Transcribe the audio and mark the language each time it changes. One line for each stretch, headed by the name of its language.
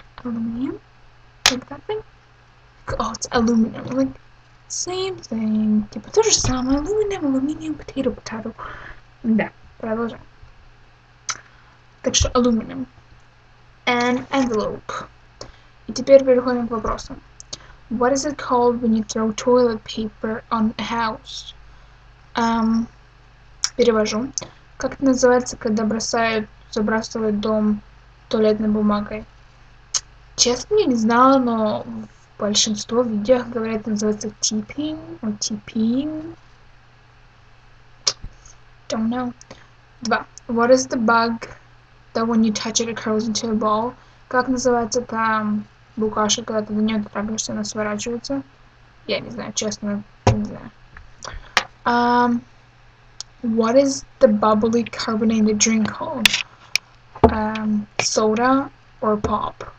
English: Алюминиум? Like that thing? Oh, it's aluminum. Like, same thing.
Russian: Типа, то же самое.
English: Aluminum, potato, potato.
Russian: Да, продолжаем. Так что, aluminum.
English: And envelope.
Russian: И теперь переходим к вопросам.
English: What is it called when you throw toilet paper on a house?
Russian: Перевожу. Как это называется, когда забрасывают дом туалетной бумагой? Честно, я не знала, но большинство видео говорят, называется типинг.
English: Don't know.
Russian: Два.
English: What is the bug that when you touch it, it curls into a ball?
Russian: Как называется та букашка, когда ты до нее дотрагиваешься, она сворачивается? Я не знаю, честно, не знаю.
English: What is the bubbly carbonated drink called? Soda or pop?